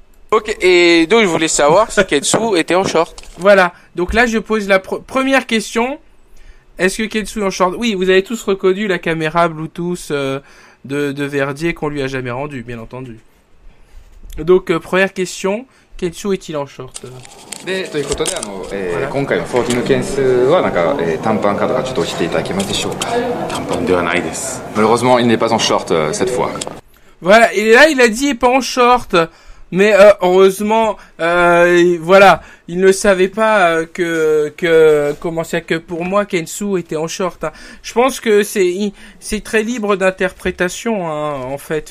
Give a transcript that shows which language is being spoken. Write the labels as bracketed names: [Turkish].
[French] Ok, et donc je voulais savoir si Kensou était en short. Voilà. Donc là, je pose la première question. Est-ce que Kensou en short? Oui, vous avez tous reconnu la caméra Bluetooth de Verdier qu'on lui a jamais rendue, bien entendu. Donc, première question, Kensou est-il en short? [Japanese] で、ということで、 [French] Voilà. [Japanese] 今回のフォーティングケンスは、短パンかとかちょっと教えていただけますでしょうか。短パンではないです。 [French] Malheureusement, il n'est pas en short cette fois. Voilà, et là, il a dit pas en short. Mais heureusement, voilà, il ne savait pas comment ça, que pour moi, Kensou était en short. Hein. Je pense que c'est très libre d'interprétation, hein, en fait.